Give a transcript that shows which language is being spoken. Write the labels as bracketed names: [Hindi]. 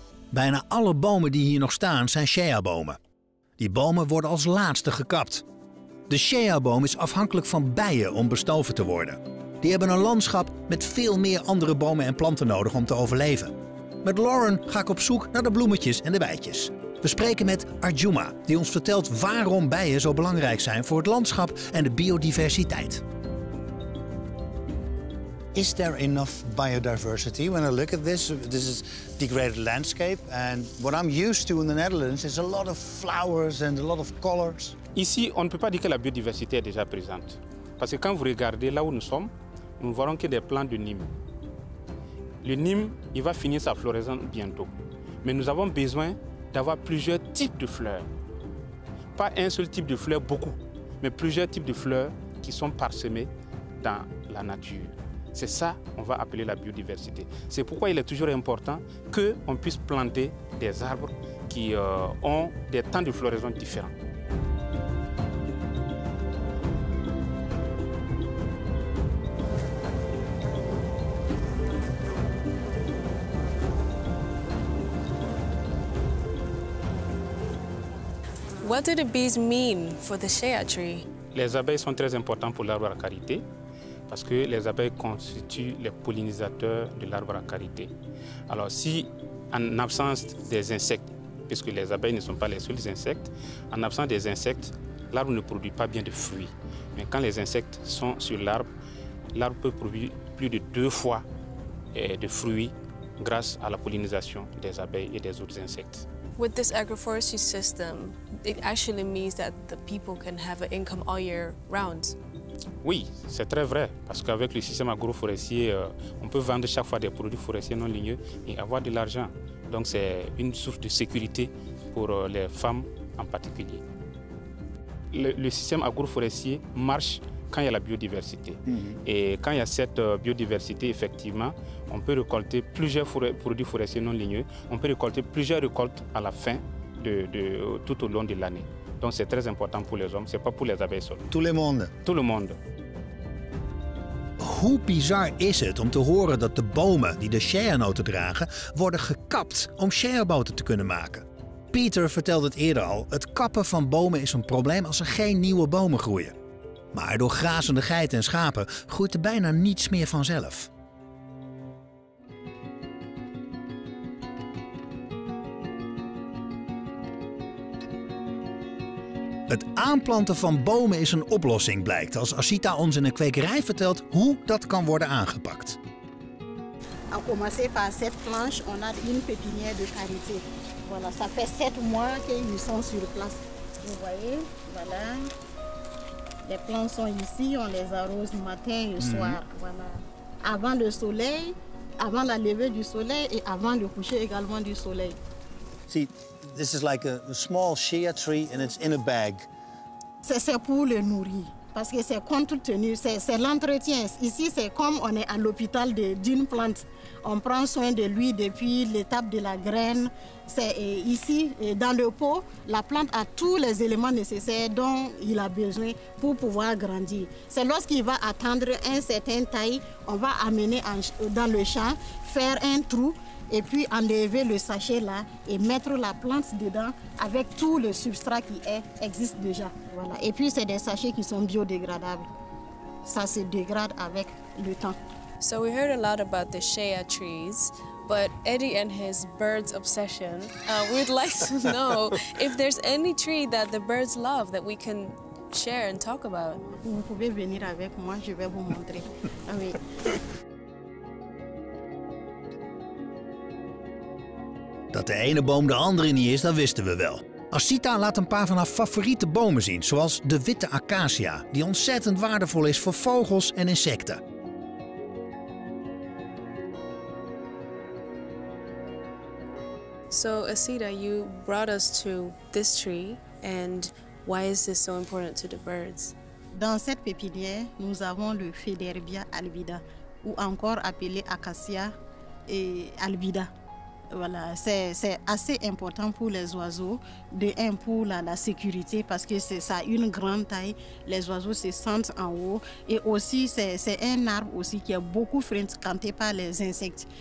[Dutch] Bijna alle bomen die hier nog staan zijn shea-bomen. Die bomen worden als laatste gekapt. De shea-boom is afhankelijk van bijen om bestoven te worden. Die hebben een landschap met veel meer andere bomen en planten nodig om te overleven. Met Lauren ga ik op zoek naar de bloemetjes en de bijtjes. We spreken met Arjuma, die ons vertelt waarom bijen zo belangrijk zijn voor het landschap en de biodiversiteit. [English] Is there enough biodiversity when I look at this? This is degraded landscape, and what I'm used to in the Netherlands is a lot of flowers and a lot of colors. [French] Ici, on ne peut pas dire que la biodiversité est déjà présente. Parce que quand vous regardez là où nous sommes, nous voyons que des plants de Nîmes. Le Nîmes, il va finir sa floraison bientôt. Mais nous avons besoin d'avoir plusieurs types de fleurs. Pas un seul type de fleurs, beaucoup, mais plusieurs types de fleurs qui sont parsemées dans la nature. C'est ça qu'on va appeler la biodiversité. C'est pourquoi il est toujours important qu'on puisse planter des arbres qui ont des temps de floraison différents. [English] What do the bees mean for the shea tree? [French] Les abeilles sont très importantes pour l'arbre à karité parce que les abeilles constituent les pollinisateurs de l'arbre à karité. Alors si en absence des insectes, puisque les abeilles ne sont pas les seuls insectes, en absence des insectes, l'arbre ne produit pas bien de fruits. Mais quand les insectes sont sur l'arbre, l'arbre peut produire plus de deux fois de fruits grâce à la pollinisation des abeilles et des autres insectes. [English] With this agroforestry system, it actually means that the people can have an income all year round. [French] Oui, c'est très vrai, parce qu'avec le système agroforestier, on peut vendre chaque fois des produits forestiers non ligneux et avoir de l'argent. Donc c'est une source de sécurité pour les femmes en particulier. Le système agroforestier marche quand il y a la biodiversité. Et quand il y a cette biodiversité, effectivement, on peut récolter plusieurs produits forestiers non ligneux, on peut récolter plusieurs récoltes à la fin de tout au long de l'année. Donc c'est très important pour les hommes, c'est pas pour les abeilles seulement. Tout le monde. Tout le monde. [Dutch] Hoe bizar is het om te horen dat de bomen die de shea-noten dragen worden gekapt om shea-boten te kunnen maken? Peter vertelde het eerder al, het kappen van bomen is een probleem als er geen nieuwe bomen groeien. Maar door grazende geiten en schapen groeit er bijna niets meer vanzelf. Het aanplanten van bomen is een oplossing, blijkt als Asita ons in een kwekerij vertelt hoe dat kan worden aangepakt. [French] On commence par cette planche, on a une pépinière de karité. Voilà, ça fait 7 mois qu'ils sont sur place. Vous voyez, voilà. Les plantes sont ici, on les arrose matin et soir. Voilà. Avant le soleil, avant la levée du soleil et avant le coucher également du soleil. Si. [English] This is like a small shea tree and it's in a bag. [French] C'est pour le nourrir parce que c'est compte tenu, c'est l'entretien. Ici c'est comme on est à l'hôpital d'une plante. On prend soin de lui depuis l'étape de la graine. C'est ici et dans le pot, la plante a tous les éléments nécessaires dont il a besoin pour pouvoir grandir. C'est lorsqu'il va atteindre un certain taille, on va amener dans le champ, faire un trou et puis enlever le sachet là et mettre la plante dedans avec tout le substrat qui existe déjà. Voilà. Et puis c'est des sachets qui sont biodégradables. Ça se dégrade avec le temps. [English] So we heard a lot about the shea trees, but Eddie and his birds obsession, we'd like to know if there's any tree that the birds love that we can share and talk about. [French] Vous pouvez venir avec moi, je vais vous montrer. Oui. [Dutch] Dat de ene boom de andere niet is, dat wisten we wel. Asita laat een paar van haar favoriete bomen zien, zoals de witte acacia, die ontzettend waardevol is voor vogels en insecten. [English] So Asita, you brought us to this tree, and why is this so important to the birds? [French] Dans cette pépinière, nous avons le Federbia albida, ou encore appelé acacia et albida. Voilà, c'est assez important pour les oiseaux, de un pour la sécurité parce que ça a une grande taille, les oiseaux se sentent en haut et aussi c'est un arbre aussi qui est beaucoup fréquenté par les insectes.